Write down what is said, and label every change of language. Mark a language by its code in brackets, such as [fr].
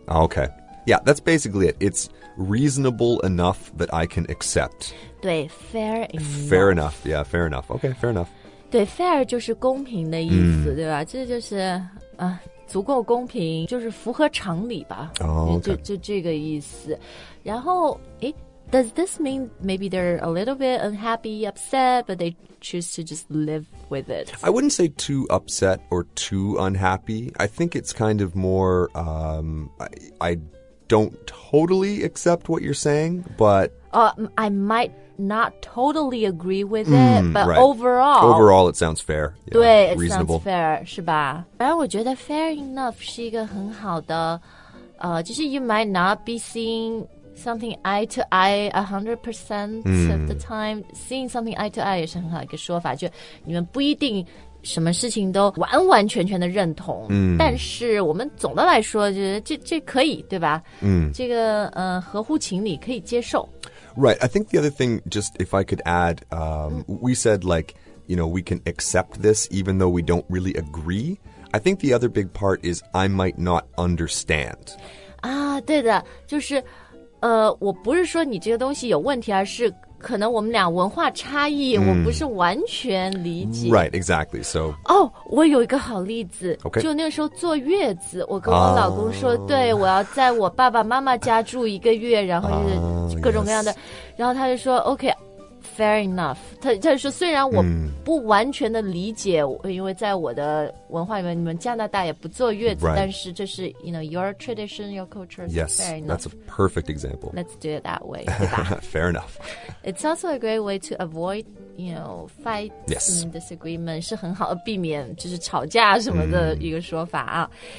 [en] Okay, yeah, that's basically it. It's reasonable enough that I can accept. 对 ，fair enough. Fair enough, yeah, fair enough. Okay, fair enough. [zh] 对 ，fair 就是公平的意思，对吧？这就是啊，足够公平，就是符合常理吧。就这个意思。然后， [en] Does this mean maybe they're a little bit unhappy, upset, but they choose to just live with it? I wouldn't say too upset or too unhappy. I think it's kind of more, I don't totally accept what you're saying, but... I might not totally agree with it, but、right. overall... Overall, it sounds fair. Yeah, [zh] 对 [en] reasonable. It sounds fair, [zh] 是吧？反正我觉得 [en] fair enough [zh] 是一个很好的、就是 [en] you might not be seeingSomething eye to eye 100% of the time. Seeing something eye to eye [zh] 也是很好一个说法，就你们不一定什么事情都完完全全的认同，但是我们总的来说，就是这可以，对吧？这个合乎情理，可以接受。 [en] Right. I think the other thing, just if I could add, we said like, you know, we can accept this even though we don't really agree. I think the other big part is I might not understand. [zh] 啊，对的，就是。我不是说你这个东西有问题，而是可能我们俩文化差异，我不是完全理解。 [en] Right, exactly. So, [zh] 我有一个好例子。 Okay. 就那个时候坐月子，我跟我老公说， 对，我要在我爸爸妈妈家住一个月，然后就是各种各样的。然后他就说 ，OK, [en] fair enough. [zh] 他说虽然我不完全的理解、因为在我的文化里面你们加拿大也不坐月子、 [en] right. [zh] 但是这是 [en] you know, your tradition, your culture is yes, fair enough. That's a perfect example. Let's do it that way. Fair enough. It's also a great way to avoid, you know, fights、 yes. and disagreements. [zh] 是很好的避免就是吵架什么的一个说法啊。